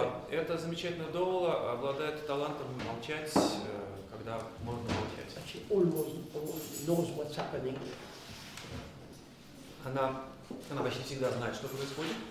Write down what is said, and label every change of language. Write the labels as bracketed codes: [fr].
[ru] Это замечательная доула обладает талантом молчать. Да, можно молчать. [en] She almost knows what's happening. [ru] Она почти всегда знает, что происходит.